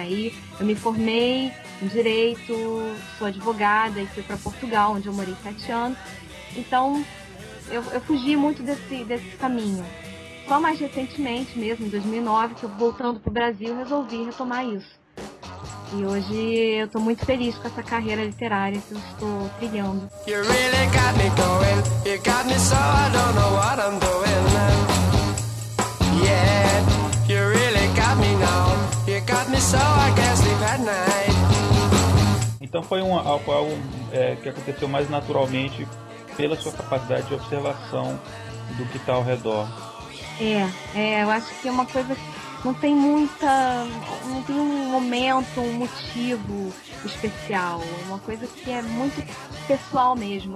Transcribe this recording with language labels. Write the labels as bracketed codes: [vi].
[pt] Aí eu me formei em direito, sou advogada e fui para Portugal, onde eu morei 7 anos. Então, eu fugi muito desse caminho. Só mais recentemente mesmo, em 2009, que eu voltando para o Brasil, resolvi retomar isso. E hoje eu estou muito feliz com essa carreira literária que eu estou trilhando. [en] You really got me going, you got me so I don't know what I'm doing now. Yeah, you really got me now, you got me so I can't sleep at night. [pt] Então foi algo que aconteceu mais naturalmente pela sua capacidade de observação do que está ao redor. Eu acho que é uma coisa que não tem um momento, um motivo especial, uma coisa que é muito pessoal mesmo.